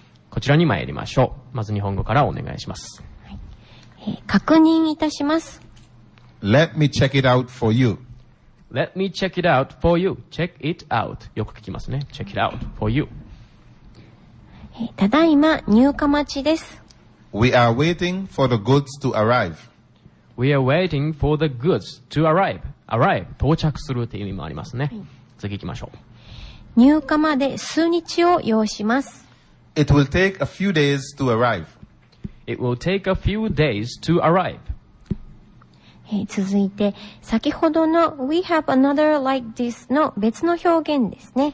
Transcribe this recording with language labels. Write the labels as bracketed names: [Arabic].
[Japanese] こちらに参りましょう。まず日本語からお願いします。はい。確認いたします。 [English] Let me check it out for you. Let me check it out for you. Check it out. [Japanese] よく聞きますね。 [English] Check it out for you. [Japanese] ただいま入荷待ちです。 [English] We are waiting for the goods to arrive. We are waiting for the goods to arrive. [Japanese] Arrive, 到着するという意味もありますね。はい、次行きましょう。入荷まで数日を要します。 [English] It will take a few days to arrive. It will take a few days to arrive. [Japanese] 続いて、先ほどの [English] We have another like this [Japanese] の別の表現ですね。